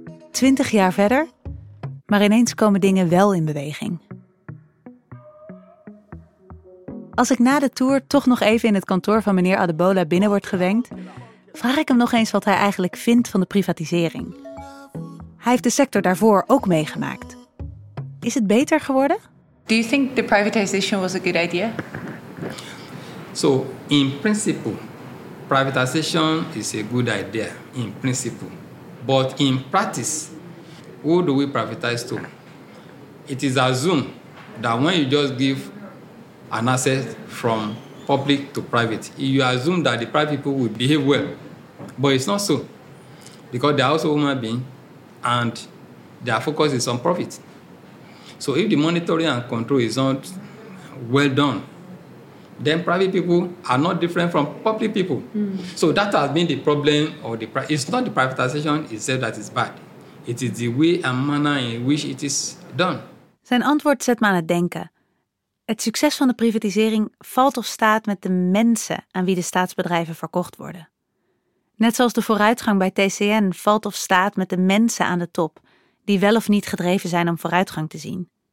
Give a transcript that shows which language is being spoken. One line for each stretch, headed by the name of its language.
Dutch: 20 jaar verder, maar ineens komen dingen wel in beweging. Als ik na de tour toch nog even in het kantoor van meneer Adebola binnen word gewenkt, vraag ik hem nog eens wat hij eigenlijk vindt van de privatisering. Hij heeft de sector daarvoor ook meegemaakt. Is het beter geworden?
English: Do you think the privatization was a good idea? So, in principle, privatization is a good idea, in principle. But in practice, who do we privatize to? It is assumed that when you just give an asset from public to private. You assume that the private people will behave well, but it's not so, because they are also human beings, and their focus is on profit. So if the monitoring and control is not well done, then private people are not different from public people. So that has been the problem. Or the it's not the privatization itself that is bad. It is the way and manner in which it is done.
Dutch: Zijn antwoord zet me aan het denken. Het succes van de privatisering valt of staat met de mensen aan wie de staatsbedrijven verkocht worden. Net zoals de vooruitgang bij TCN valt of staat met de mensen aan de top, die wel of niet gedreven zijn om vooruitgang te zien.